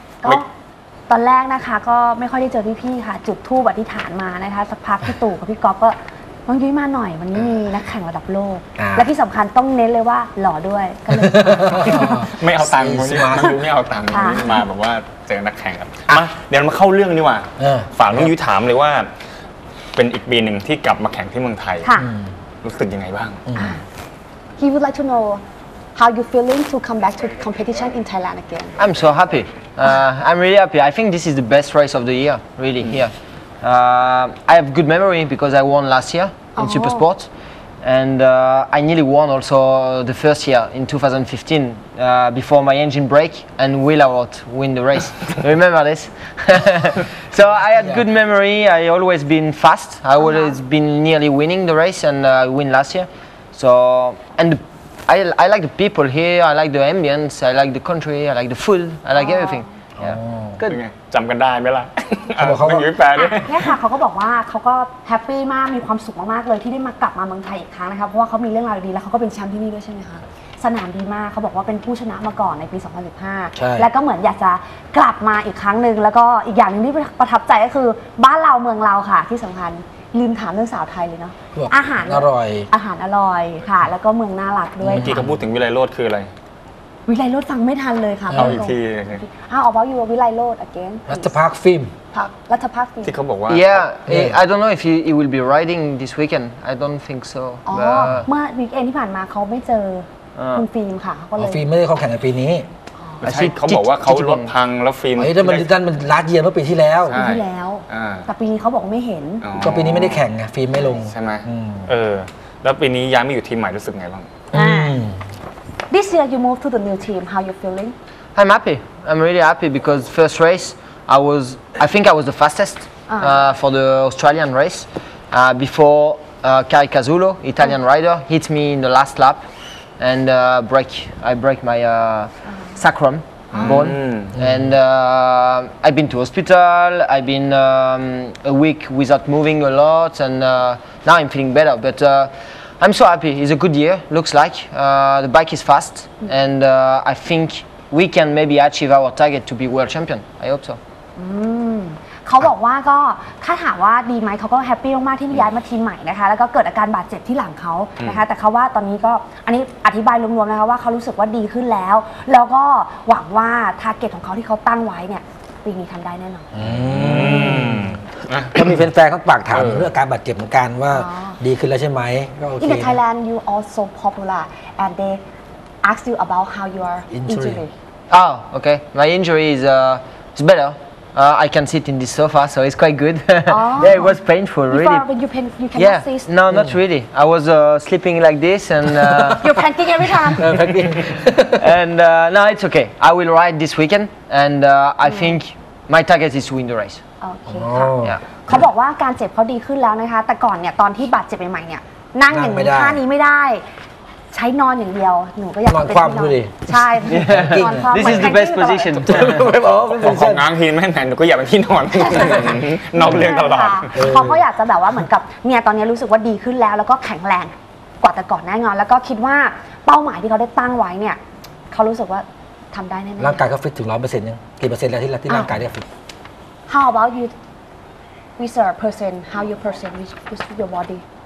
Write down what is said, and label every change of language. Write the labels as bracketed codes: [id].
[th] ก็ตอนแรกนะคะก็ไม่ค่อยได้เจอพี่ค่ะจุดธูปอธิษฐานมานะคะสักพักพี่ตู่กับพี่ก๊อฟก็น้องยุ้ยมาหน่อยวันนี้มีนักแข่งระดับโลกและที่สำคัญต้องเน้นเลยว่าหล่อด้วยก็เล ยไม่เอาตังค์วันนี้มาไม่เอาตังค์วันนี้มาแบบว่าเจอนักแข่งครับมาเดี๋ยวมาเข้าเรื่องนี่ว่าฝากน้องยุ้ยถามเลยว่าเป็นอีกปีนึงที่กลับมาแข่งที่เมืองไทยรู้สึกยังไงบ้าง [en] He would like to knowHow you feeling to come back to competition in Thailand again? I'm so happy. I'm really happy. I think this is the best race of the year, really here. I have good memory because I won last year in Super Sport, and I nearly won also the first year in 2015before my engine break and will out win the race. Remember this? So I had good memory. I always been fast. I always been nearly winning the race and win last year. So and. I like the people here, I like the ambience, I like the country, I like the food, I like everything. Good. [th] จำกันได้ไหมล่ะ เขาบอก เขา แฮปปี้นี่ค่ะเขาก็บอกว่าเขาก็แฮปปี้มากมีความสุขมากๆเลยที่ได้มากลับมาเมืองไทยอีกครั้งนะคะเพราะว่าเขามีเรื่องราวดีแล้วเขาก็เป็นแชมป์ที่นี่ด้วยใช่ไหมคะสนามดีมากเขาบอกว่าเป็นผู้ชนะมาก่อนในปี2015และก็เหมือนอยากจะกลับมาอีกครั้งนึงแล้วก็อีกอย่างนึงที่ประทับใจก็คือบ้านเราเมืองเราค่ะที่สำคัญลืมถามเรื่องสาวไทยเลยเนาะอาหาร อร่อย อาหารอร่อยค่ะแล้วก็เมืองน่ารักด้วย เมื่อกี้เขาพูดถึงวิไลโรดคืออะไร วิไลโรดฟังไม่ทันเลยค่ะ เอาอีกที เอาออกว่าอยู่วิไลโรดอีกแล้ว รัฐภาคฟิล์ม รัฐภาคฟิล์ม ที่เขาบอกว่า [en] yeah I don't know if he will be riding this weekend I don't think so [th] อ๋อเมื่อวีคเอนที่ผ่านมาเขาไม่เจอคุณฟิล์มค่ะ ก็เลยฟิล์มไม่ได้เข้าแข่งในปีนี้ ใช่เขาบอกว่าเขารถพังแล้วฟิล์ม เฮ้ยท่านมันลัดเยียนเมื่อปีที่แล้ว ปีที่แล้วแต่ปีนี้เขาบอกไม่เห็น ก็ปีนี้ไม่ได้แข่งไงฟิล์มไม่ลง ใช่ไหมเออ แล้วปีนี้ย้ายมาอยู่ทีมใหม่รู้สึกไงบ้าง [en] This year you moved to the new team. How you feeling? I'm happy. I'm really happy because first race I think I was the fastest for the Australian race before Kari Cazzullo, Italian rider, hit me in the last lap and I break my sacrum bone and I've been to hospital, I've been a week without moving a lot and now I'm feeling better but I'm so happy, it's a good year, looks like, the bike is fast and I think we can maybe achieve our target to be world champion, I hope so. [th] เขาบอกว่าก็ถ้าถามว่าดีไหมเขาก็แฮปปี้มากที่ย้ายมาทีมใหม่นะคะแล้วก็เกิดอาการบาดเจ็บที่หลังเขานะคะแต่เขาว่าตอนนี้ก็อันนี้อธิบายรวมๆนะคะว่าเขารู้สึกว่าดีขึ้นแล้วแล้วก็หวังว่าทาร์เก็ตของเขาที่เขาตั้งไว้เนี่ยปีนี้ทำได้แน่นอน ก็มีแฟนๆเขาฝากถามเรื่องอาการบาดเจ็บเหมือนกันว่าดีขึ้นแล้วใช่ไหมก็โอเค ใน [en] Thailand you are so popular and they ask you about how you are injury oh okay my injury is it's betterI can sit in this sofa, so it's quite good. Oh. Yeah, it was painful, really. Before, when you pain, you cannot yeah. sit. No, not really. I was sleeping like this and... You're panting every time. Panting. And no, it's okay. I will ride this weekend and I think my target is to win the race. Okay. Yeah. [th] เขาบอกว่าการเจ็บเขาดีขึ้นแล้วนะคะแต่ก่อนเนี่ยตอนที่บาดเจ็บใหม่ๆเนี่ยนั่งอย่างนี้ท่านี้ไม่ได้ใช้นอนอย่างเดียวหนูก็อยาก นอนคว่ำดูดิ ใช่ [en] yeah. [th] นอน คว่ำ [en] This is the best position ของงางฮินแม่งแหนหนูก็อยากไปที่นอนนอนเรียงตลอด [th] เพราะเขาอยากจะแบบว่าเหมือนกับเนี่ยตอนนี้รู้สึกว่าดีขึ้นแล้วแล้วก็แข็งแรงกว่าแต่ก่อนแน่นอนแล้วก็คิดว่าเป้าหมายที่เขาได้ตั้งไว้เนี่ยเขารู้สึกว่าทำได้แน่นอน ร่างกายเขาฟิตถึง 100% ยังกี่เปอร์เซ็นต์แล้วที่ร่างกายได้ฟิต [en] How about you with your person how your person with your body